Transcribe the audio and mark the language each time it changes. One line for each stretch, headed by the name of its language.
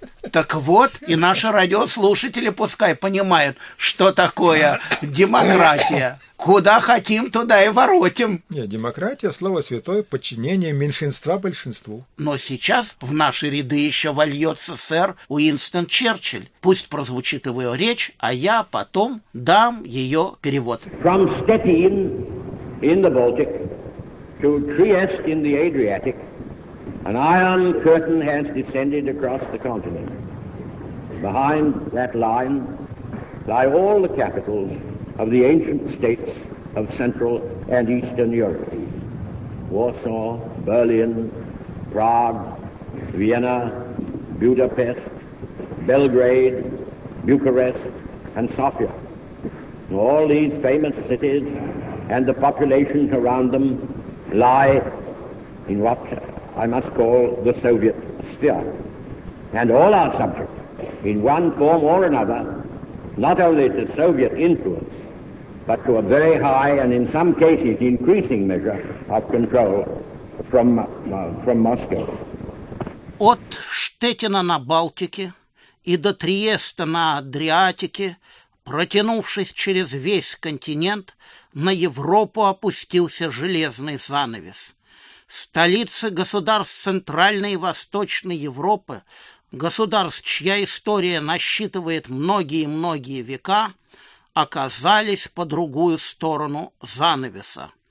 Russian: Так вот, и наши радиослушатели пускай понимают, что такое демократия. Куда хотим, туда и воротим. Нет, демократия, слово святое, подчинение меньшинства большинству. Но сейчас в наши ряды еще вольется сэр Уинстон Черчилль. Пусть прозвучит его речь, а я потом дам ее перевод.
English: From Stettin in the Baltic to Trieste in the Adriatic, An iron curtain has descended across the continent. Behind that line lie all the capitals of the ancient states of Central and Eastern Europe. Warsaw, Berlin, Prague, Vienna, Budapest, Belgrade, Bucharest, and Sofia. All these famous cities and the population around them lie in what I must call the Soviet sphere. And all our subjects, in one form or another, not only to Soviet influence, but to a very high and in some cases increasing measure of control from Moscow.
Russian: От Штетина на Балтике и до Триеста на Адриатике, протянувшись через весь континент, на Европу опустился железный занавес. Столицы государств Центральной и Восточной Европы, государств, чья история насчитывает многие-многие века, оказались по другую сторону занавеса.